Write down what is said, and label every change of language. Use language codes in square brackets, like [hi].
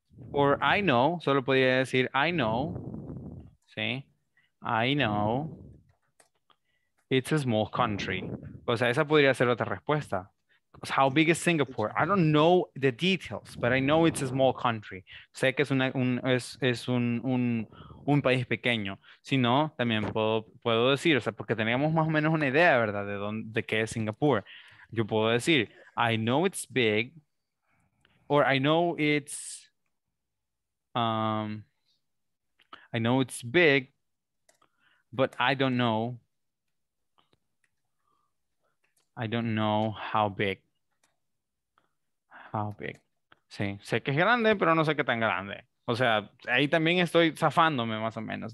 [en] Or I know, [es] solo podría decir [en] I know, [es] ¿sí? [en] I know it's a small country. [es] O sea, esa podría ser otra respuesta. [en] How big is Singapore? I don't know the details, but I know it's a small country. [es] Sé que es un país pequeño. Si no, también puedo decir, o sea, porque teníamos más o menos una idea, ¿verdad? De qué es Singapore. Yo puedo decir, [en] I know it's big, or I know it's big, but I don't know how big. How big? [es] Sí, sé que es grande, pero no sé qué tan grande. O sea, ahí también estoy zafándome más o menos.